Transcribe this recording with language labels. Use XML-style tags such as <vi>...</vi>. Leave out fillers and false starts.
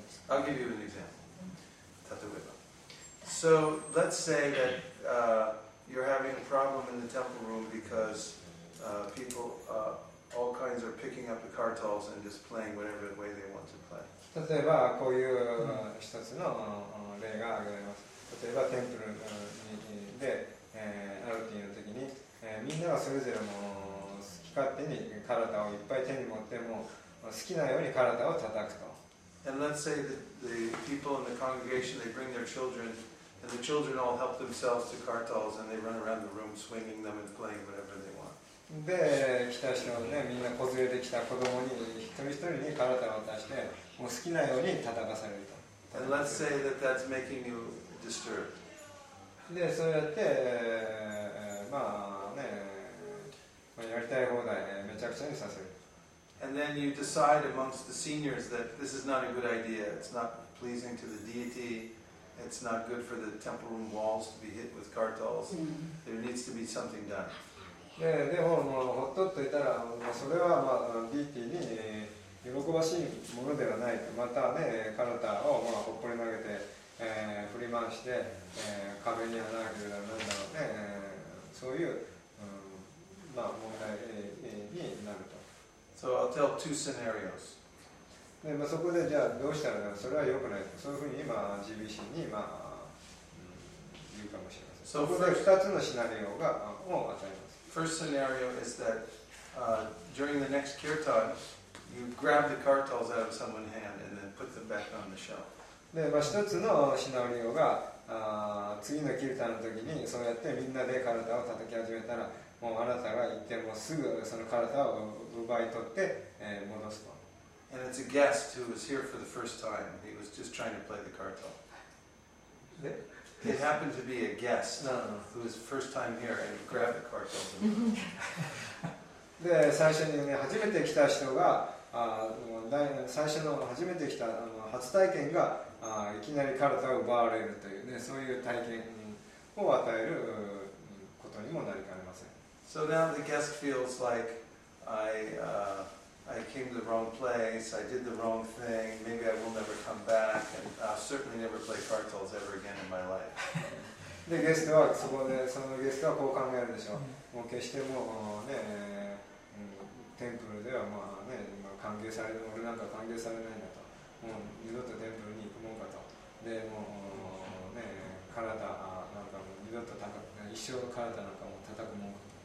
<en>I'll give you an example. So let's say that you're having a problem in the temple room because people all kinds are picking up the cartels and just playing whatever way they want to play.</en> <ja>例えばこういう一つの例が挙げられます。例えばテンプルでアルティの時に、みんながそれぞれも好き勝手にカルタをいっぱい手に持っても好きなようにカルタを叩くと。</ja> <en>And let's say that the people in the congregation they bring their children And the children all help themselves to kartals and they run around the room swinging them and playing whatever they want.</en> <ja>で、来た人ね、みんな子連れてきた子供に一人一人にカルタを渡して、もう好きなように叩かされると。</ja> <en>And let's say that that's making you disturbed.</en> <ja>で、そうやって、まあね、やりたい放題ね、めちゃくちゃにさせる。</ja> <en>And then you decide amongst the seniors that this is not a good idea, it's not pleasing to the deity. It's not good for the temple room walls to be hit with cartels. There needs to be something done. Yeah,</en> <ja>でも、もうほっとっといたら、まあ、それは、まあ、ディーティーに、喜ばしいものではない。またね、カルタを、まあ、ほっぽり投げて、振り回して、壁に穴開けるなんだろうね、そういう、まあ、問題になると。</ja> <en>So I'll tell two scenarios.</en> <ja>でまあ、そこでじゃあどうしたらそれは良くないとそういうふうに今 GBC に、まあ、言うかもしれません。</ja> <en>So、</en> <ja>そこで2つのシナリオがを与えます。</ja> <en>First scenario is that、during the next kirtan, you grab the cartels out of someone's hand and then put them back on the shelf.</en> <ja>で、まあ、1つのシナリオが次のキルタンの時にそうやってみんなでカルタを叩き始めたらもうあなたが行ってもすぐそのカルタを奪い取って、戻すと。</ja> <en>And it's a guest who was here for the first time. He was just trying to play the kartal. It happened to be a guest who was first time here and grabbed the kartal.</en> <ja>で、最初にね、初めて来た人が、最初の初めて来た初体験が、いきなりカルタを奪われるというね、そういう体験を与えることにもなりかねません。</ja> <en>So now the guest feels like I came to the wrong place, I did the wrong thing, maybe I will never come back, and I'll certainly never play kartals ever again in my life.</en> <ja>で、ゲストはそこで、そのゲストはこう考えるでしょう。もう決してもうね、テンプルではまあね、まあ、歓迎される、俺なんか歓迎されないんだと。もう二度とテンプルに行くもんかと。で、もうね、体なんかも二度と叩く、一生の体なんかも叩くもんかと。</ja>